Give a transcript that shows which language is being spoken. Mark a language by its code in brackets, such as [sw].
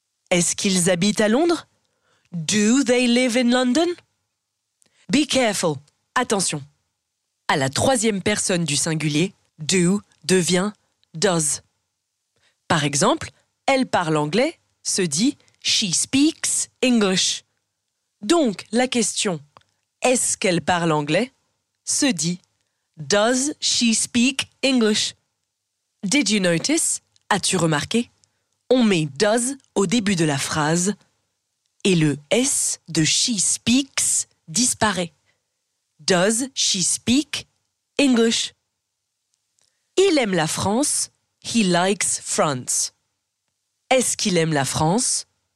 [fr] Est-ce qu'ils habitent à Londres ? [en] Do they live in London? Be careful. Attention. [fr] À la troisième personne du singulier, do devient does. Par exemple, elle parle anglais, se dit [en] she speaks English. [fr] Donc, la question est-ce qu'elle parle anglais? Se dit [en] does she speak English? Did you notice? [fr] As-tu remarqué? On met does au début de la phrase. Et le S de « [en] she speaks [fr] » disparaît. [en] Does she speak English? [fr] Il aime la France. [en] He likes France. [fr] Est-ce qu'il aime la France?